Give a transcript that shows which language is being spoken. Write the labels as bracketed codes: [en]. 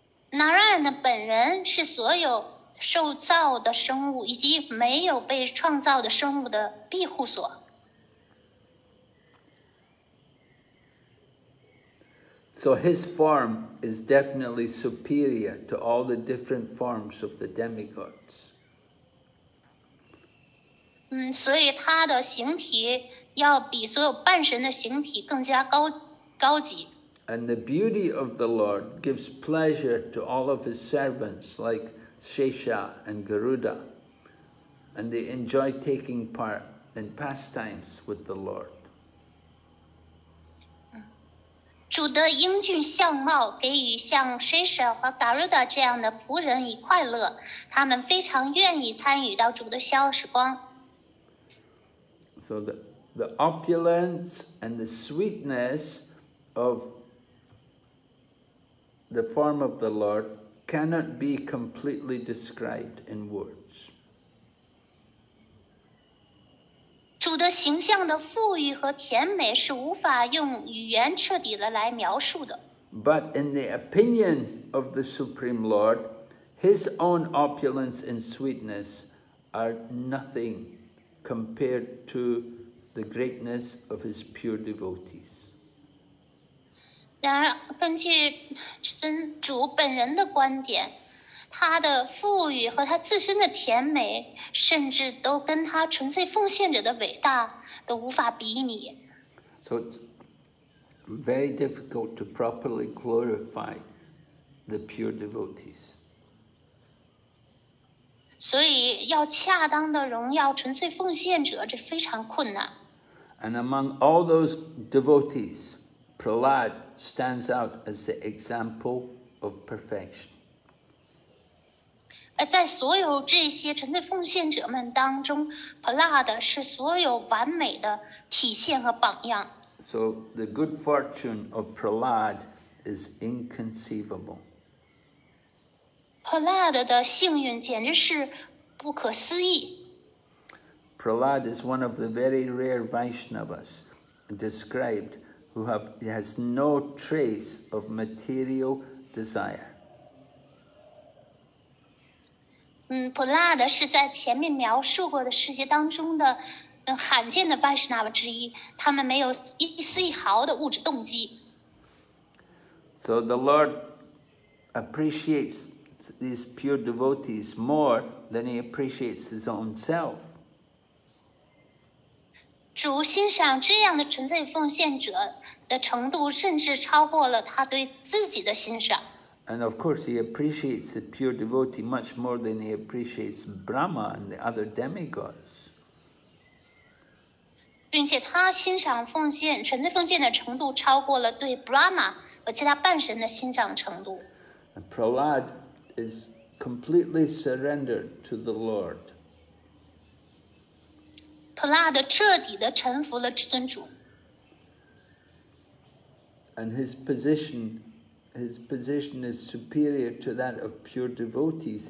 [zh] Narayana 本人是所有受造的生物以及没有被创造的生物的庇护所。 [en] So his form is definitely superior to all the different forms of the demigods. [zh] 所以他的形体要比所有半神的形体更加高级。 [en] And the beauty of the Lord gives pleasure to all of his servants like Shesha and Garuda, and they enjoy taking part in pastimes with the Lord. [zh] 主的英俊相貌给予像 Shesha 和 Garuda 这样的仆人以快乐，他们非常愿意参与到主的消时光。 [en] So the opulence and the sweetness of the form of the Lord. Cannot be completely described in words. [zh] 主的形象的富裕和甜美是无法用语言彻底的来描述的。 [en] But in the opinion of the Supreme Lord, his own opulence and sweetness are nothing compared to the greatness of his pure devotees. [zh] 然而根据真主本人的观点，他的富裕和他自身的甜美甚至都跟他纯粹奉献者的伟大都无法比拟。 [en] So it's very difficult to properly glorify the pure devotees. [zh] 所以要恰当的荣耀纯粹奉献者这非常困难。 [en] And among all those devotees, Prahlad,stands out as the example of perfection. [zh] 在所有这些纯粹奉献者们当中 ，Prahlad 是所有完美的体现和榜样。 [en] So the good fortune of Prahlad is inconceivable. [zh] Prahlad 的幸运简直是不可思议。 [en] Prahlad is one of the very rare Vaishnavas described. Who has no trace of material desire. [zh] Prahlad 是在前面描述过的世界当中的罕见的 Vaishnava 之一，他们没有一丝一毫的物质动机。 [en] So the Lord appreciates these pure devotees more than he appreciates his own self. [zh] 主欣赏这样的纯粹奉献者的程度，甚至超过了他对自己的欣赏。 [en] And of course, he appreciates the pure devotee much more than he appreciates Brahma and the other demigods. [zh] 并且他欣赏奉献纯粹奉献的程度超过了对 Brahma 和其他半神的欣赏程度。 [en] And Prahlad is completely surrendered to the Lord. [zh] Prahlad 彻底地臣服了至尊主。 [en] And his position is superior to that of pure devotees.